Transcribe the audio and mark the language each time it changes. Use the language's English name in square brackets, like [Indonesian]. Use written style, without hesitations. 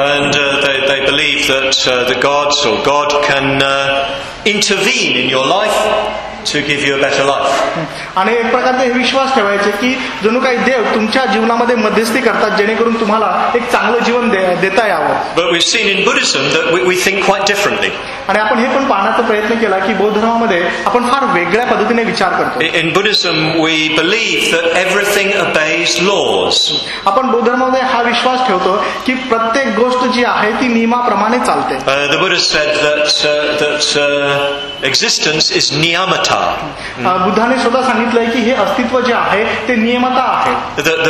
[English] And they believe that the gods or God can intervene in your life to give you a better life. [Marathi] आणि एक प्रकारे हे विश्वास ठेवायचे की जणू काही देव तुमच्या जीवनामध्ये मध्यस्थी करतात जेणेकरून तुम्हाला एक चांगलं जीवन देता यावं. [English] But we've seen in Buddhism that we think quite differently. [Marathi] आणि आपण हे पण पाहण्याचा प्रयत्न केला की बौद्ध धर्मामध्ये आपण फार वेगळ्या पद्धतीने विचार करतो. [English] In Buddhism we believe that everything obeys laws. [Marathi] आपण बौद्ध धर्मामध्ये हा विश्वास ठेवतो की प्रत्येक गोष्ट जी आहे ती नियमाप्रमाणे चालते. [English] The Buddha said that existence is niyamata. [Marathi] बुद्धाने स्वतः सांगितलंय की हे अस्तित्व जे आहे ते नियमता आहे.